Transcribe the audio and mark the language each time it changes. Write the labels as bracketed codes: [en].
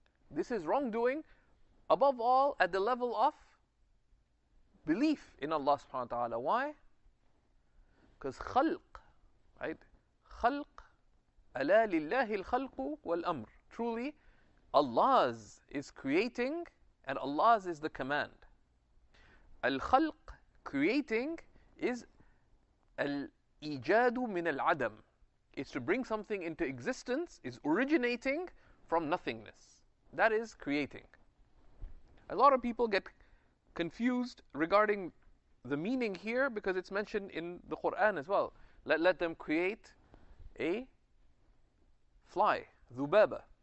[en] This is wrongdoing, above all, at the level of belief in Allah subhanahu wa ta'ala. Why? Because خَلْق, right? خَلْق [ar] أَلَا لِلَّهِ الْخَلْقُ وَالْأَمْرُ. [en] Truly, Allah's is creating and Allah's is the command. [ar] الخلق [en] creating is [ar] الإيجاد من العدم. [en] It's to bring something into existence, is originating from nothingness. That is creating. A lot of people get confused regarding the meaning here because it's mentioned in the Quran as well. Let them create a fly, ذُبَابَة.